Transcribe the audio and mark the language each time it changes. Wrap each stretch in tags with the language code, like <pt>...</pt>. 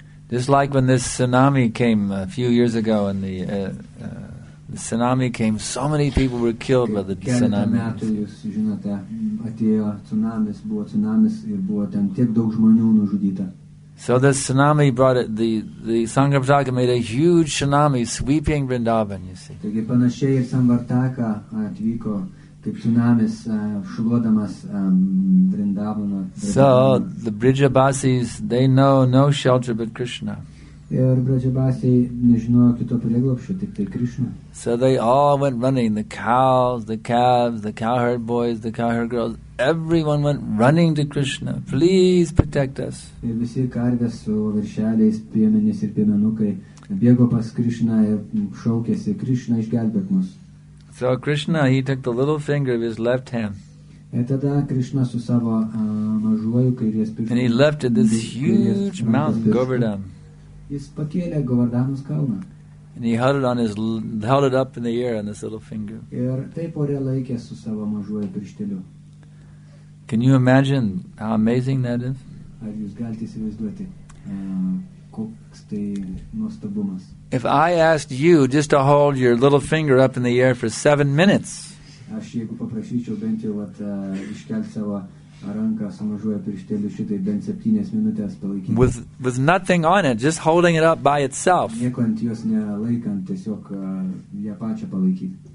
<en>Just like when this tsunami came a few years ago, and the tsunami came, so many people were killed by the tsunami.</en> <lt>Metų, jūs žinote, atėjo tsunamis, buvo tsunamis ir buvo ten tiek daug žmonių nužudyta.</lt> <en>So the tsunami brought it, the Sangha Vartaka made a huge tsunami sweeping Vrindavan, you see.</en> <lt>Taigi panašiai ir Samvartaka atvyko kaip tsunamis šluodamas Vrindavano.</lt> <en>So the Brijabasis, they know no shelter but Krishna.</en> <lt>Ir Brijabasi nežinojo kito prieglobščio, tik tai Krishna.</lt> <en>So they all went running, the cows, the calves, the cowherd boys, the cowherd girls. Everyone went running to Krishna. Please protect us.</en> <lt>Ir visi karvės su viršeliais, piemenys ir piemenukai bėgo pas Krishna ir šaukėsi, Krishna, išgelbėk mus.</lt> <en>So Krishna, he took the little finger of his left hand.</en> <lt>Ir tada Krishna su savo mažuoju kairės pirštu.</lt> <en>And he lifted this huge mountain, Govardhan.</en> <lt>Jis pakėlė Govardhanos kalną.</lt> <en>And he held it on his, held it up in the air on this little finger.</en> <lt>Ir taip ore laikė su savo mažuoju piršteliu.</lt> <en>Can you imagine how amazing that is?</en> <lt>Ar jūs galite įsivaizduoti, koks tai nuostabumas?</lt> <en>If I asked you just to hold your little finger up in the air for 7 minutes,</en> <lt>aš jeigu paprašyčiau bent jau at iškelti savo ranką su mažuoju piršteliu šitai bent 7 minutes palaikyti.</lt> <en>With nothing on it, just holding it up by itself.</en> <lt>Nieko ant jos nelaikant, tiesiog ją pačią palaikyti.</lt>